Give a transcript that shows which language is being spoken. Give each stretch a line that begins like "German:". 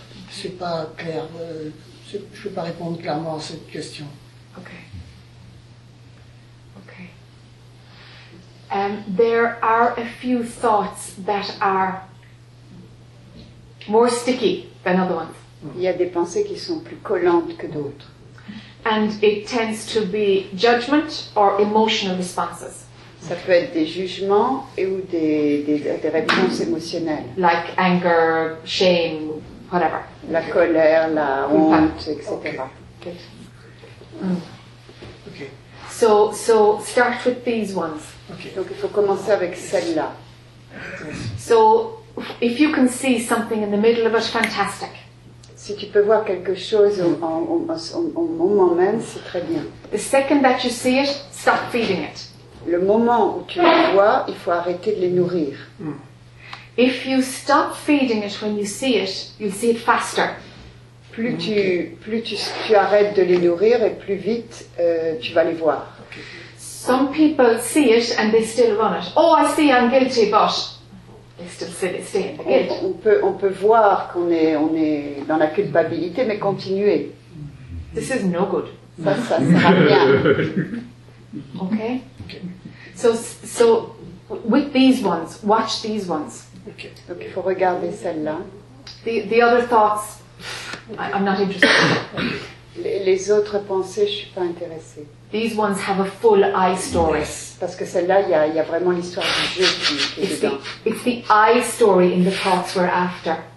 French: C'est pas clair. Je ne peux pas répondre clairement à cette question.
English: Okay. There are a few thoughts that are more sticky than other ones.
French: Il y a des pensées qui sont plus collantes que d'autres.
English: And it tends to be judgment or emotional responses.
French: Ça peut être des jugements et ou des réponses émotionnelles.
English: Like anger, shame, whatever.
French: La colère, la honte, etc.
English: Okay. So start with these ones.
French: Okay. Donc il faut commencer avec celle-là.
English: So if you can see something in the middle of it, fantastic.
French: Si tu peux voir quelque chose au moment même, c'est très bien.
English: The second that you see it, stop feeding it.
French: Le moment où tu les vois, il faut arrêter de les nourrir.
English: If you stop feeding it when you see it, you'll see it faster.
French: Plus tu arrêtes de les nourrir et plus vite tu vas les voir.
English: Okay. Some people see it and they still run it. Oh, I see I'm guilty, but they still say they stay in the guilt.
French: On peut voir qu'on est dans la culpabilité, mais continuer.
English: This is no good.
French: Ça ne sert à rien.
English: Okay. So with these ones, watch these ones.
French: Okay. Donc il faut regarder celles-là.
English: The other thoughts, I'm not interested.
French: Les autres pensées, je suis pas intéressée.
English: These ones have a full I story.
French: Parce que celles-là, il y a vraiment l'histoire du jeu qui est dedans.
English: It's the I story in the thoughts we're after.